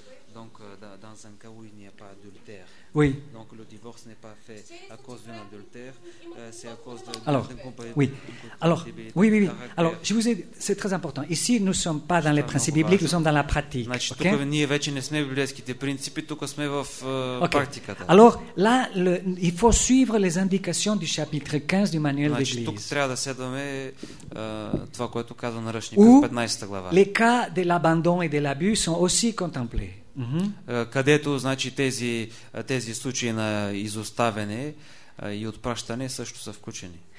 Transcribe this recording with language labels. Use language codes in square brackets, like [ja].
[fr] Dans un cas où il n'y a pas adultère. Oui. Donc le divorce n'est pas fait à cause d'un adultère, c'est à cause de. Alors, oui. Alors, oui. Alors, je vous ai dit, c'est très important. Ici, nous ne sommes pas dans les principes bibliques, nous sommes dans la pratique. [en] Okay? [bg] Ние вече не сме библейските принципи, тук сме в практиката. [fr] Alors, là, il faut suivre les indications du chapitre 15 du manuel de l'Église. [bg] Тук трябва да следваме това, което казва наръчника в 15-та глава. [fr] Les cas de l'abandon et de l'abus sont aussi contemplés. Mm-hmm. [bg] Където, значи, тези случаи на изоставяне и отпращане също са включени.